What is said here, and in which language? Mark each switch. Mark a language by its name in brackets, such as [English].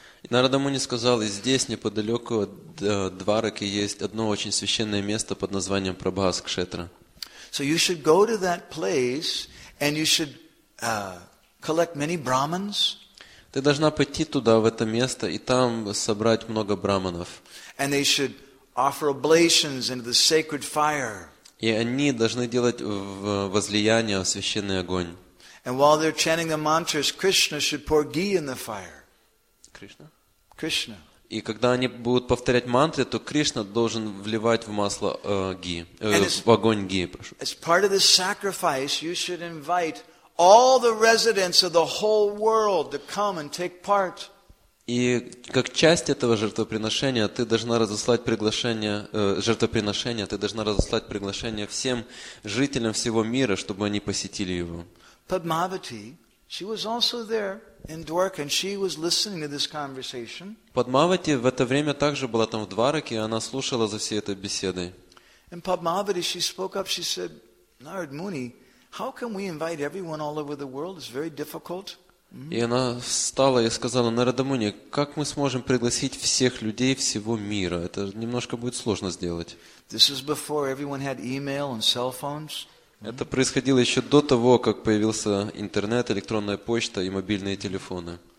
[Russian] Нарада Муни сказал: "И здесь неподалеку от Двараки есть одно очень священное место под названием Прабхаскшетра." [English] So you should go to that place and you should collect many brahmins. [Russian] Ты должна пойти туда, в это место, и там собрать много браманов. [English] And they should offer oblations into the sacred fire. [Russian] И они должны делать возлияние в священный огонь. [English] And while they're chanting the mantras, Krishna should pour ghee in the fire. Krishna? Krishna. [Russian] И когда они будут повторять мантры, то Кришна должен вливать в масло ghee, в огонь ghee, прошу. [English] As part of the sacrifice, you should invite all the residents of the whole world to come and take part. [Russian] И как часть этого жертвоприношения, ты должна разослать приглашение, всем жителям всего мира, чтобы они посетили его. [English] Padmavati, She was also there in Dwarka, and she was listening to this conversation. [Russian] Padmavati в это время также была там в Двараке, и она слушала за всей этой беседой. [English] And Padmavati, she spoke up, she said, Narad Muni, how can we invite everyone all over the world? It's very difficult. [Russian] И она встала и сказала, Нарада Муни, как мы сможем пригласить всех людей всего мира? Это немножко будет сложно сделать. Это происходило еще до того, как появился интернет, электронная почта и мобильные телефоны.